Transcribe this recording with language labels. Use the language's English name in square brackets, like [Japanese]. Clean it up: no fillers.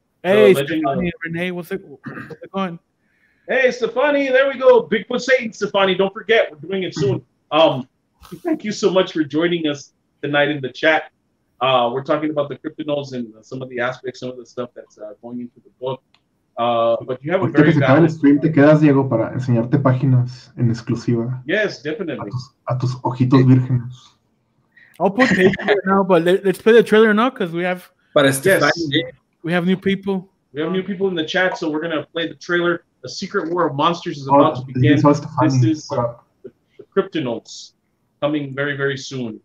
[English] Hey, Stefani, Renee, what's it going? Hey, Stefani, there we go. Bigfoot Satan, Stefani, don't forget, we're doing it soon. Thank you so much for joining us tonight in the chat. We're talking about the cryptids and some of the aspects, some of the stuff that's going into the book. But you have a very bad stream. [Spanish] Te quedas, Diego, para enseñarte páginas en exclusiva. [English] Yes, definitely. [Spanish] A tus ojitos vírgenes. [English] I'll put tape right now, but let's play the trailer now because we have. But it's yes. We have new people. We have new people in the chat, so we're gonna play the trailer. A secret war of monsters is about to begin. This is the Kryptonauts coming very, very soon.